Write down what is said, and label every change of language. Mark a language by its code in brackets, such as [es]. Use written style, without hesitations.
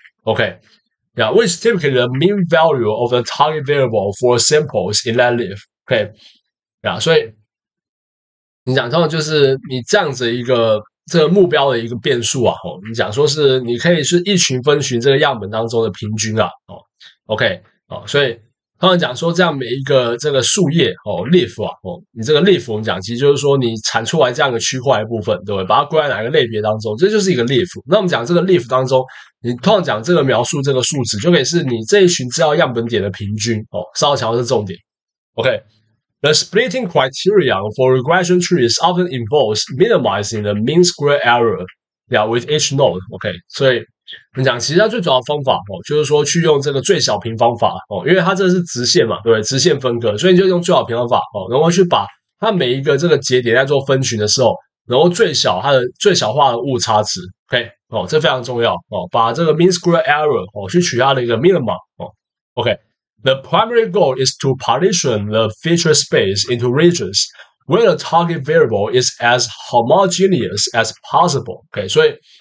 [en] OK，那 which typically the mean value of the target variable for samples in that leaf。 [zh] OK，所以你讲到就是你这样子一个这个目标的一个变数啊，哦，你讲说是你可以是一群分群这个样本当中的平均啊，哦，OK，哦，所以。他们讲说，这样每一个这个树叶哦，leaf 啊，哦，你这个 leaf 我们讲，其实就是说你产出来这样的区块的部分，对不对？把它归在哪个类别当中，这就是一个 leaf。那我们讲这个 leaf 当中，你通常讲这个描述这个数值，就可以是你这一群资料样本点的平均哦。稍微强调是重点。 [en] OK，the splitting criterion for regression trees often involves minimizing the mean square error with each node。 [zh] OK，所以。你讲，其实它最主要的方法哦，就是说去用这个最小平方法哦，因为它这是直线嘛，对不对？直线分割，所以你就用最小平方法哦，然后去把它每一个这个节点在做分群的时候，然后最小它的最小化的误差值，OK 哦，这非常重要哦，把这个 mean square error 哦去取它的一个 minimum 哦，OK， [en] the primary goal is to partition the feature space into regions where the target variable is as homogeneous as possible， [zh] OK，所以。